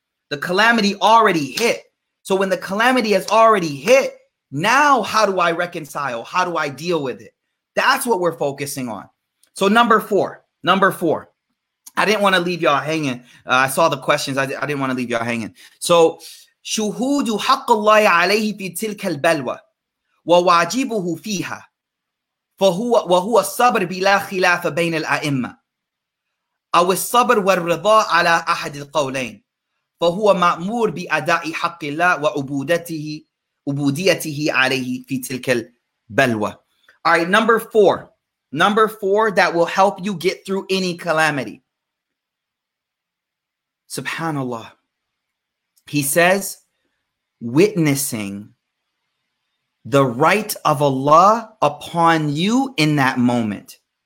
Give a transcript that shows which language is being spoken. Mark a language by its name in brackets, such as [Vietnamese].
[English] The calamity already hit. So when the calamity has already hit, now how do I reconcile? How do I deal with it? That's what we're focusing on. So number four. I didn't want to leave y'all hanging. I saw the questions. I didn't want to leave y'all hanging. [Arabic] So, شهود حق الله عليه في تلك البلوى وواجبه فيها فهو وهو الصبر بلا خلاف بين الأئمة أو الصبر والرضا على أحد القولين فهو مأمور بأداء حق الله وعبودته عبوديته عليه في تلك البلوى. [English] All right, number four that will help you get through any calamity. Subhanallah. He says, witnessing the right of Allah upon you in that moment.